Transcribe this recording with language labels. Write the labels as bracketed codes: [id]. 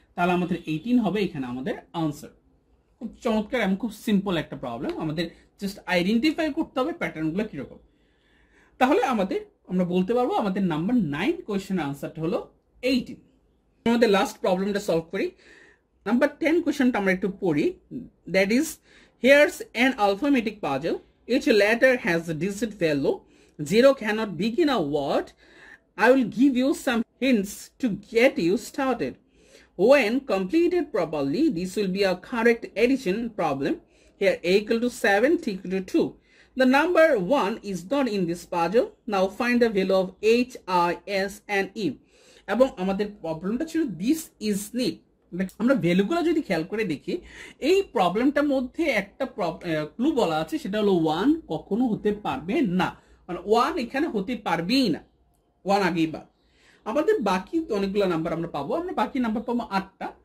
[bn] তাহলে আমাদের এইটিন হবে এখানে আমাদের আনসার। খুব চমৎকার এবং খুব সিম্পল একটা প্রবলেম, আমাদের জাস্ট আইডেন্টিফাই করতে হবে প্যাটার্নগুলো কীরকম। তাহলে আমাদের আমরা বলতে পারবো আমাদের নাম্বার নাইন কোয়েশনের আনসারটা হলো এইটিন। আমাদের লাস্ট প্রবলেমটা সলভ করি, নাম্বার টেন কোয়েশনটা আমরা একটু পড়ি। [en] That is here's an alphametic puzzle. Each letter has a digit value. Zero cannot begin a word. I will give you some hints to get you started. When completed properly, this will be a correct addition problem. Here, A equal to 7, T equal to 2. The number 1 is not in this puzzle. Now, find the value of H, I, S, and E. [bn] এবং আমাদের প্রবলেমটা ছিল [en] this is neat. [bn] আমরা ভ্যালুগুলো যদি খেয়াল করে দেখি, এই প্রবলেমটার মধ্যে একটা ক্লু বলা আছে, সেটা হলো ওয়ান কখনো হতে পারবে না, মানে ওয়ান এখানে হতে পারবেই না, ওয়ান আগেই বার। আমাদের বাকি অনেকগুলো নাম্বার আমরা পাবো, আমরা বাকি নাম্বার পাবো আটটা।